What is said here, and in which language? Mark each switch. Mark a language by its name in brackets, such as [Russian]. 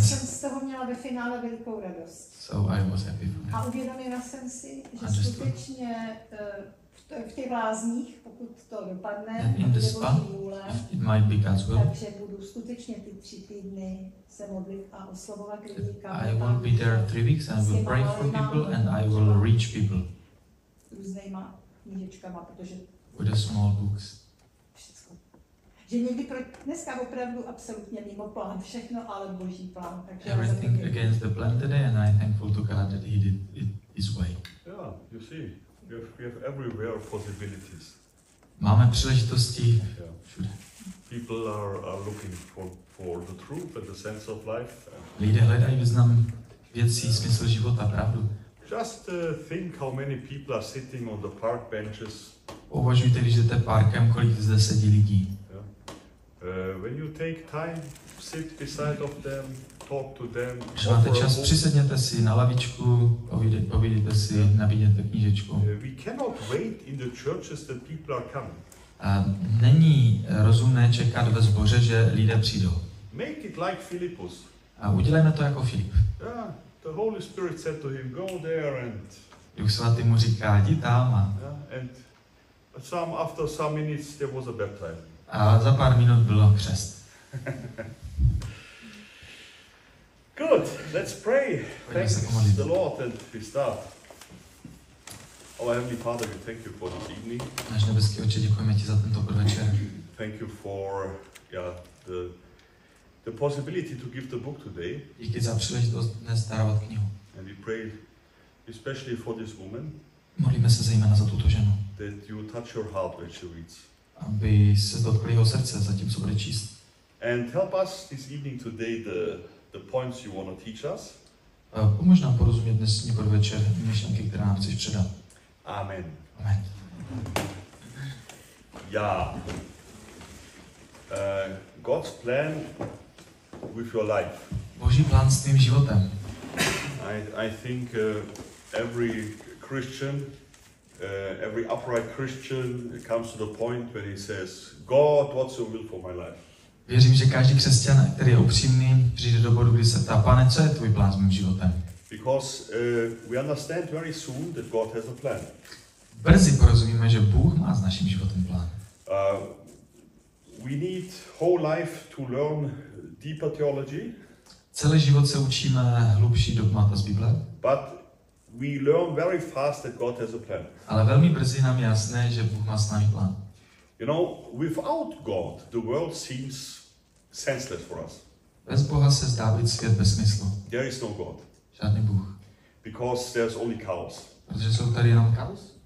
[Czech] Takže jsem z toho měla ve finále velkou radost. [English] So I was happy for that. [Czech] A uvědomila jsem si, že understood. Skutečně v těch lázních, pokud to dopadne, [English] nebo spa, it might be God's will. [Czech] Takže budu skutečně ty tři týdny se modlit a oslovovat lidi. [English] I will be there 3 weeks and I will pray for people and I will reach people. [Czech] Různýma knížečkama, protože [English] with the small books. [Czech] Všechno. Že někdy dneska opravdu absolutně mimo plán všechno, ale Boží plán. Takže [English] everything against the plan today and I'm thankful to God that he did it his way. Yeah, you see. We have everywhere possibilities. [Czech] Máme příležitosti. [English] People are looking for the truth and the sense of life. [Czech] Lidé hledají význam věcí, smysl života, pravdu. [English] Just think how many people are sitting on the park benches. [Czech] Uvažujte, když jdete parkem, kolik zde sedí lidí. [English] When you take time, sit beside of them, talk to them. [Czech] Když máte čas, přisedněte si na lavičku, povídejte si, nabídněte knížečku. [English] We cannot wait in the churches that people are coming. [Czech] Není rozumné čekat ve sboře, že lidé přijdou. [English] Make it like Philippus. [Czech] A udělejme to jako Filip. [English] The Holy Spirit said to him, go there and. [Czech] Duch svatý mu říká, jdi tam. [English] And some after some minutes there was a baptism. [Czech] A za pár minut bylo křest. [English] Good, let's pray. Thanks the Lord and we start. Our Heavenly Father, we thank you for this evening. [Czech] Náš nebeský Otče, děkujeme ti za tento podvečer. [English] Thank you for the possibility to give the book today. [Czech] Díky za příležitost dnes darovat knihu. [English] And we pray especially for this woman. [Czech] Modlíme se zejména za tuto ženu. [English] That you touch her heart when she reads. [Czech] Aby se dotkl jeho srdce zatím, co bude číst. [English] And help us this evening today the points you want to teach us. [Czech] Pomož nám porozumět dnes podvečer myšlenky, které nám chceš předat. Amen. Amen. Ja. [English] God's plan with your life. [Czech] Boží plán s tvým životem. [English] I think every Christian, every upright Christian comes to the point when he says, God, what's your will for my life? [Czech] Věřím, že každý křesťan, který je upřímný, přijde do bodu, kdy se ptá, Pane, co je tvůj plán s mým životem? [English] Because we understand very soon that God has a plan. [Czech] Brzy porozumíme, že Bůh má s naším životem plán. [English] We need whole life to learn deeper theology. [Czech] Celý život se učíme hlubší dogmata z Bible. [English] But we learn very fast that God has a plan. [Czech] Ale velmi brzy nám je jasné, že Bůh má s námi plán. [English] You know, without God, the world seems senseless for us. [Czech] Bez Boha se zdá být svět bez smyslu. [English] There is no God. [Czech] Žádný Bůh. [English] Because there's only chaos. [Czech] Protože jsou tady jenom chaos?